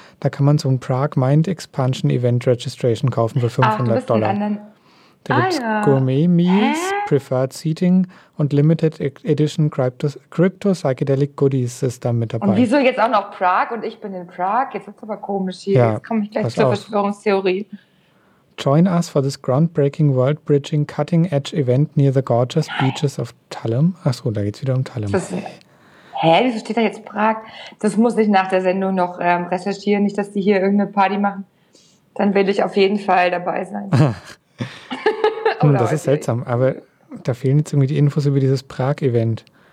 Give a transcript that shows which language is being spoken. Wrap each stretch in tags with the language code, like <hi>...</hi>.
<de>Da kann man so ein Prague Mind Expansion Event Registration kaufen für $500. Da gibt es Gourmet Meals, Preferred Seating und Limited Edition Crypto Psychedelic Goodies ist da mit dabei. Und wieso jetzt auch noch Prague und ich bin in Prague? Jetzt ist es aber komisch hier. Ja, jetzt komme ich gleich zur Verschwörungstheorie.</de> <en>Join us for this groundbreaking world bridging cutting edge event near the gorgeous beaches of Tulum.</en> <de>Achso, da geht es wieder um Tulum. Wieso steht da jetzt Prague? Das muss ich nach der Sendung noch recherchieren. Nicht, dass die hier irgendeine Party machen. Dann will ich auf jeden Fall dabei sein. Das ist seltsam, aber da fehlen jetzt irgendwie die Infos über dieses Prag-Event.</de>